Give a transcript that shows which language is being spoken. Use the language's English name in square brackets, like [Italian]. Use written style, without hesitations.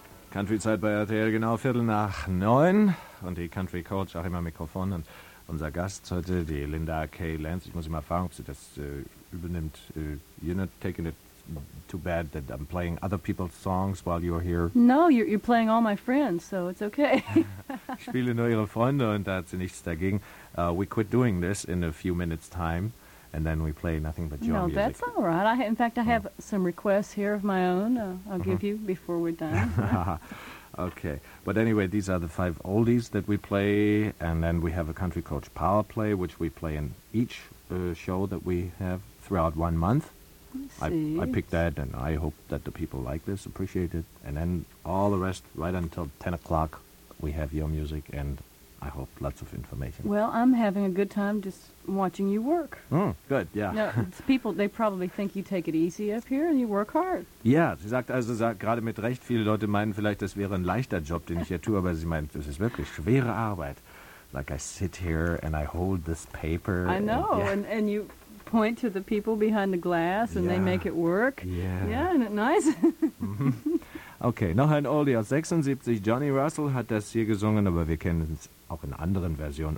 [German] Country-Zeit bei RTL, genau 9:15 und die Country-Coach, auch immer Mikrofon, und unser Gast heute, die Linda K. Lance. Ich muss immer fragen, ob sie das übernimmt. [English] You're not taking it too bad that I'm playing other people's songs while you're here? No, you're playing all my friends, so it's okay. [German] Ich spiele nur ihre Freunde und da hat sie nichts dagegen. [English] We quit doing this in a few minutes time. And then we play nothing but your music. No, that's all right. In fact, I have some requests here of my own I'll give you before we're done. Okay. But anyway, these are the five oldies that we play. And then we have a Country Coach Power Play, which we play in each show that we have throughout 1 month. I picked that, and I hope that the people like this, appreciate it. And then all the rest, right until 10 o'clock, we have your music and I hope lots of information. Well, I'm having a good time just watching you work. Oh, good, yeah. No, it's people, they probably think you take it easy up here and you work hard. [German] Yeah, sie sagt also, gerade mit Recht, viele Leute meinen vielleicht, das wäre ein leichter Job, den ich hier tue, aber sie meint, das ist wirklich schwere Arbeit. [English] Like I sit here and I hold this paper. I know, and you point to the people behind the glass and they make it work. Yeah, isn't it nice? [German] Okay, noch ein Oldie aus 76. Johnny Russell hat das hier gesungen, aber wir kennen es auch in anderen Versionen.